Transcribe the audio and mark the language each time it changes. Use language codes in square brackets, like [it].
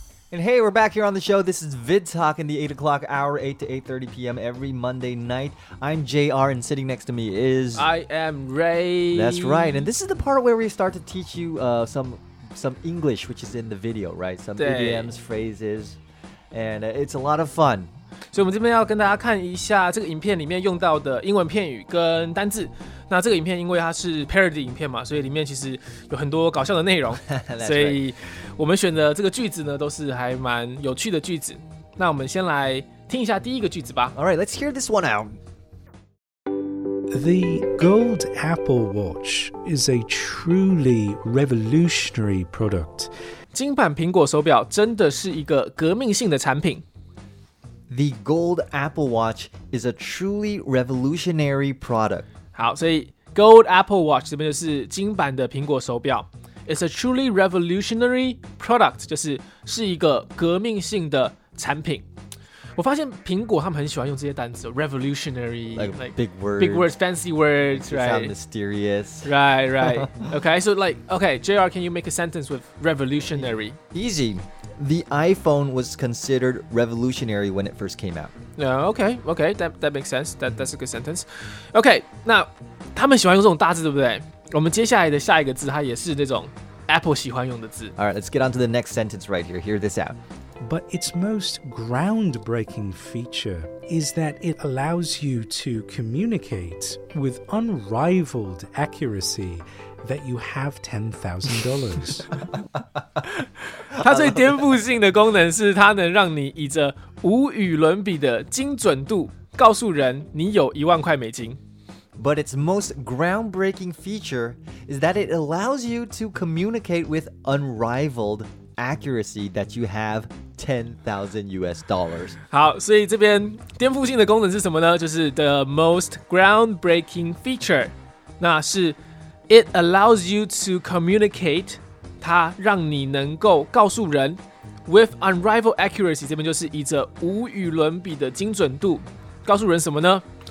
[en] And hey, we're back here on the show. This is VidTalk in the 8 o'clock hour, 8 to 8:30 p.m. every Monday night. I'm JR, and sitting next to me is... I am Ray. That's right. And this is the part where we start to teach you some English, which is in the video, right? Some idioms, phrases, and it's a lot of fun. [zh] 所以我们这边要跟大家看一下这个影片里面用到的英文片语跟单字。那这个影片因为它是parody影片嘛 所以里面其实有很多搞笑的内容 所以我们选的这个句子呢都是还蛮有趣的句子 那我们先来听一下第一个句子吧 [en] Alright, let's hear this one out. The gold Apple Watch is a truly revolutionary product. [zh] 金版苹果手表真的是一个革命性的产品。 [en] The gold Apple Watch is a truly revolutionary product. [zh] 好，所以 Gold Apple Watch 这边就是金版的苹果手表。 [en] It's a truly revolutionary product, [zh] 就是一个革命性的产品。我发现苹果他们很喜欢用这些单词, revolutionary, [en] like big words, big words, fancy words, right? Sound mysterious. Right, right. Okay, so like, okay, JR, can you make a sentence with revolutionary? Easy. The iPhone was considered revolutionary when it first came out. Okay, that makes sense. That's a good sentence. Okay, [zh] 那他们喜欢用这种大字，对不对？我们接下来的下一个字，它也是那种 Apple 喜欢用的字。 [en] All right, let's get on to the next sentence right here. Hear this out. But its most groundbreaking feature is that it allows you to communicate with unrivaled accuracy that you have $10,000. [zh] 它最颠覆性的功能是它能让你以着无与伦比的精准度告诉人你有一万块美金。 [en] But its most groundbreaking feature is that it allows you to communicate with unrivaled accuracy that you have $10,000. [zh] 好，所以这边颠覆性的功能是什么呢？就是 [en] the most groundbreaking feature. [zh] 那是 [en] it allows you to communicate. [zh] 它让你能够告诉人 [en] with unrivaled accuracy. [zh] 这边就是以着无与伦比的精准度 告诉人什么呢？